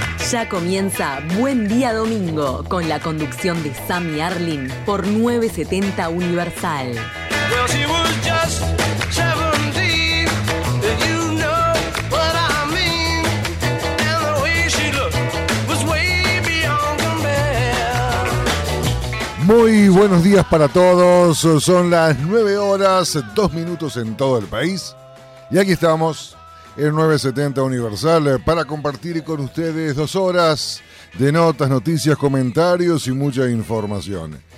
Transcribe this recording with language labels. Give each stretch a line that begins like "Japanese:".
Spanish: Ya comienza Buen Día Domingo con la conducción de Sammy Arling por 970 Universal.
English: Well, she was just 17, you know what I mean. And the way she looked was way beyond compare.
Spanish: Muy buenos días para todos. Son las 9 horas, 2 minutos en todo el país. Y aquí estamos en 970 Universal para compartir con ustedes dos horas de notas, noticias, comentarios y mucha información.